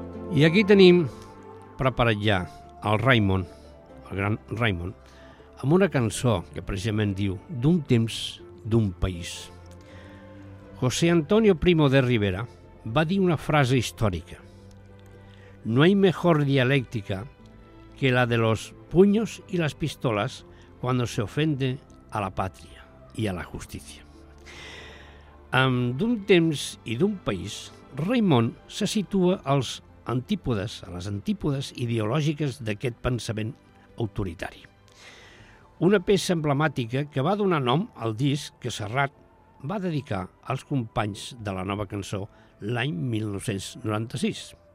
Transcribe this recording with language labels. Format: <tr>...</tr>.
<ca>I aquí tenim preparat ja el Raimon, el gran Raimon, amb una cançó que precisament diu d'un temps, d'un país.</ca> <es>José Antonio Primo de Rivera</es> <ca>va dir una frase històrica:</ca> <es>no hay mejor dialéctica que la de los puños y las pistolas cuando se ofende a la patria y a la justicia.</es> <ca>Amb d'un temps i d'un país, Raimon se situa als antípodes, a les antípodes ideològiques d'aquest pensament autoritari. Una peça emblemàtica que va donar nom al disc que Serrat va dedicar als companys de la nova cançó l'any 1996.</ca>